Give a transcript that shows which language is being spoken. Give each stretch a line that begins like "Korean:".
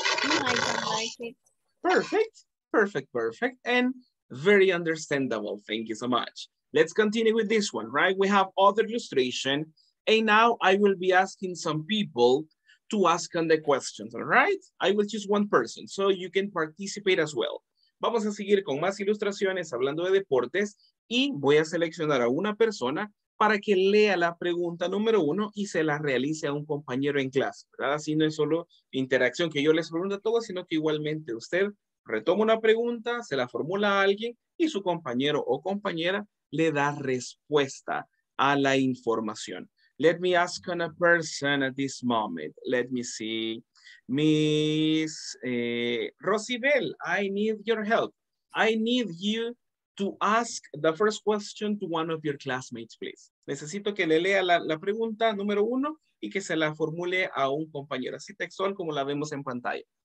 English: I don't like it. Perfect. Perfect. Perfect. And very understandable. Thank you so much. Let's continue with this one, right? We have other illustration. And now I will be asking some people to ask on the questions, all right? I will choose one person, so you can participate as well.
Spanish: Vamos a seguir con más ilustraciones hablando de deportes y voy a seleccionar a una persona para que lea la pregunta número uno y se la realice a un compañero en clase, ¿verdad? Así no es solo interacción que yo les pregunto a todos, sino que igualmente usted retoma una pregunta, se la formula a alguien y su compañero o compañera le da respuesta a la información.
English: Let me ask on a person at this moment. Let me see. Miss Rosibel, I need your help. I need you to ask the first question to one of your classmates, please.
Spanish: Necesito que le lea la pregunta número uno y que se la formule a un compañero, así textual como la vemos en pantalla.